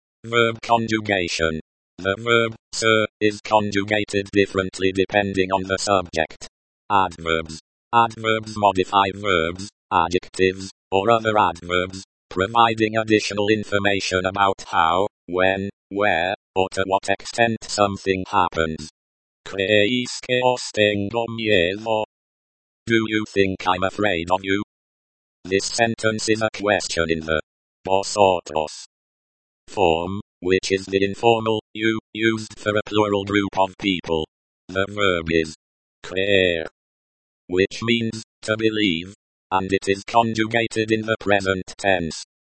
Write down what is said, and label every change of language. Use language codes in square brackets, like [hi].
[en] Verb conjugation. The verb ser is conjugated differently depending on the subject. Adverbs. Adverbs modify verbs, adjectives, or other adverbs, providing additional information about how, when, where, or to what extent something happens. [es] ¿Crees que os tengo miedo? [en] Do you think I'm afraid of you? This sentence is a question in the vosotros form, which is the informal you, used for a plural group of people. The verb is creer, which means to believe, and it is conjugated in the present tense.